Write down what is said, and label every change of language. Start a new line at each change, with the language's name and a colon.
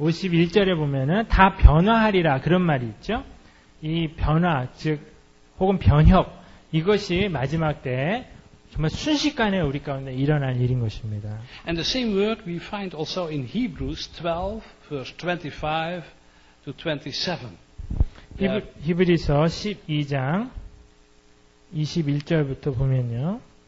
Korean: 51절에 보면은 다 변화하리라 그런 말이 있죠. 이 변화, 즉 혹은 변혁 이것이 마지막 때에 정말 순식간에 우리 가운데 일어난 일인 것입니다.
English: And the same word we find also in Hebrews 12, verse 25 to 27.
Korean: 히브리서 12장 21절부터 보면요.